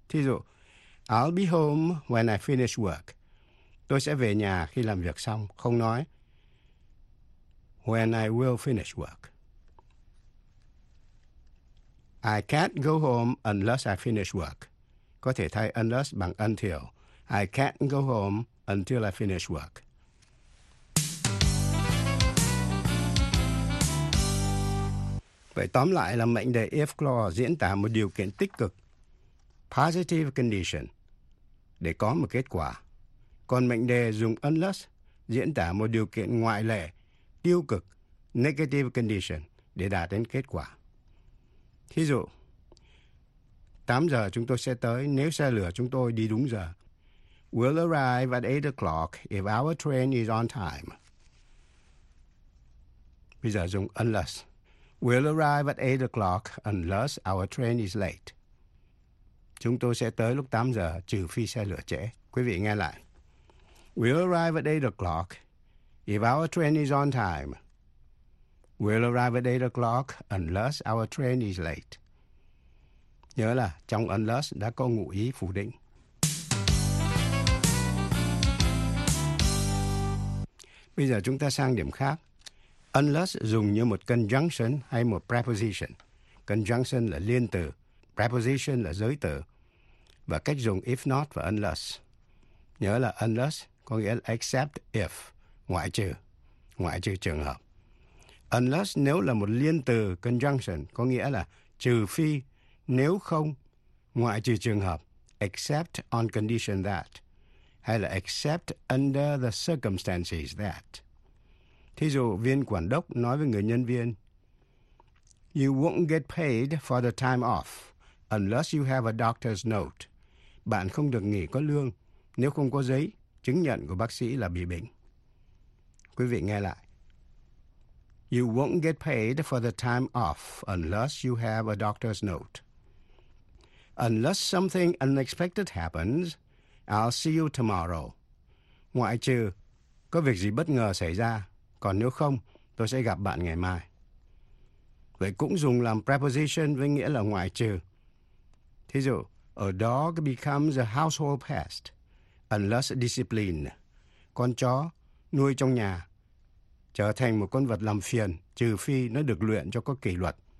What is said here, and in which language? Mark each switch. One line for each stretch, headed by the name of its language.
Vietnamese: Thí dụ,
English: I'll be home when I finish work.
Vietnamese: Tôi sẽ về nhà khi làm việc xong, không nói
English: when I will finish work. I can't go home unless I finish work.
Vietnamese: Có thể thay unless bằng until.
English: I can't go home until I finish work.
Vietnamese: Vậy tóm lại là mệnh đề if clause diễn tả một điều kiện tích cực,
English: positive condition,
Vietnamese: để có một kết quả. Còn mệnh đề dùng unless diễn tả một điều kiện ngoại lệ, tiêu cực,
English: negative condition,
Vietnamese: để đạt đến kết quả. Thí dụ, 8 giờ chúng tôi sẽ tới nếu xe lửa chúng tôi đi đúng giờ.
English: We'll arrive at 8 o'clock if our train is on time.
Vietnamese: Bây giờ dùng unless.
English: We'll arrive at 8 o'clock unless our train is late.
Vietnamese: Chúng tôi sẽ tới lúc 8 giờ trừ phi xe lửa trễ. Quý vị nghe lại.
English: We'll arrive at 8 o'clock if our train is on time. We'll arrive at 8 o'clock unless our train is late.
Vietnamese: Nhớ là trong unless đã có ngụ ý phủ định. Bây giờ chúng ta sang điểm khác. Unless dùng như một conjunction hay một preposition. Conjunction là liên từ, preposition là giới từ. Và cách dùng if not và unless. Nhớ là unless có nghĩa là
English: except if,
Vietnamese: ngoại trừ trường hợp. Unless nếu là một liên từ, conjunction, có nghĩa là trừ phi, nếu không, ngoại trừ trường hợp,
English: except on condition that,
Vietnamese: hay là
English: except under the circumstances that.
Vietnamese: Thí dụ, viên quản đốc nói với người nhân viên,
English: you won't get paid for the time off unless you have a doctor's note.
Vietnamese: Bạn không được nghỉ có lương nếu không có giấy chứng nhận của bác sĩ là bị bệnh. Quý vị nghe lại.
English: You won't get paid for the time off unless you have a doctor's note. Unless something unexpected happens, I'll see you tomorrow.
Vietnamese: Ngoại trừ có việc gì bất ngờ xảy ra, còn nếu không, tôi sẽ gặp bạn ngày mai. Vậy cũng dùng làm preposition với nghĩa là ngoại trừ. Thí dụ,
English: a dog becomes a household pest Unless Discipline,
Vietnamese: con chó nuôi trong nhà trở thành một con vật làm phiền trừ phi nó được luyện cho có kỷ luật.